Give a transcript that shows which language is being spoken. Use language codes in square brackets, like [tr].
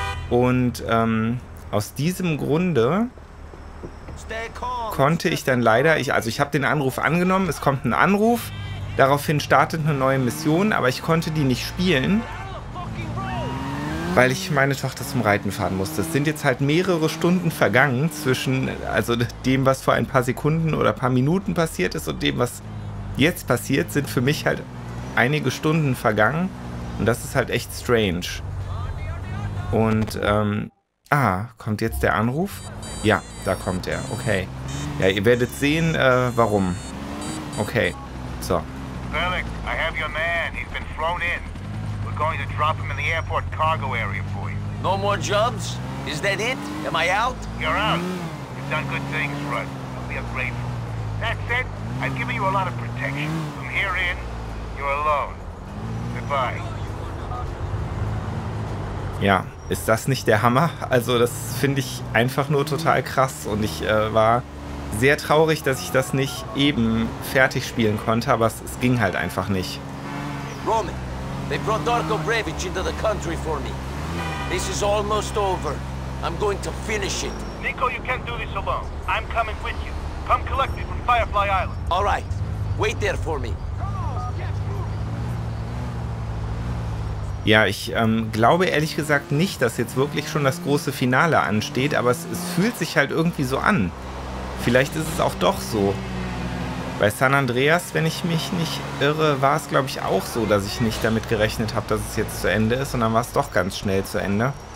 [de] Und aus diesem Grunde konnte ich dann leider, ich habe den Anruf angenommen, es kommt ein Anruf, daraufhin startet eine neue Mission, aber ich konnte die nicht spielen, weil ich meine Tochter zum Reiten fahren musste. Es sind jetzt halt mehrere Stunden vergangen zwischen also dem, was vor ein paar Sekunden oder ein paar Minuten passiert ist und dem, was jetzt passiert, sind für mich halt einige Stunden vergangen und das ist halt echt strange. Und, kommt jetzt der Anruf? Ja, da kommt er. Okay. Ja, ihr werdet sehen, warum. Okay. So. [en] Felix, I have your man. He's been flown in. We're going to drop him in the airport cargo area for you. No more jobs? Is that it? Am I out? You're out. You've done good things for us. We are grateful. That's it. I've given you a lot of protection. From here in, you're alone. Goodbye. [de] Ja, ist das nicht der Hammer? Also das finde ich einfach nur total krass und ich war sehr traurig, dass ich das nicht eben fertig spielen konnte, aber es ging halt einfach nicht. [en] Roman, they brought Darko Brevich into the country for me. This is almost over. I'm going to finish it. Nico, you can't do this alone. I'm coming with you. Come collect me from Firefly Island. All right, wait there for me. [de] Ja, ich glaube ehrlich gesagt nicht, dass jetzt wirklich schon das große Finale ansteht, aber es fühlt sich halt irgendwie so an. Vielleicht ist es auch doch so. Bei San Andreas, wenn ich mich nicht irre, war es glaube ich auch so, dass ich nicht damit gerechnet habe, dass es jetzt zu Ende ist und dann war es doch ganz schnell zu Ende.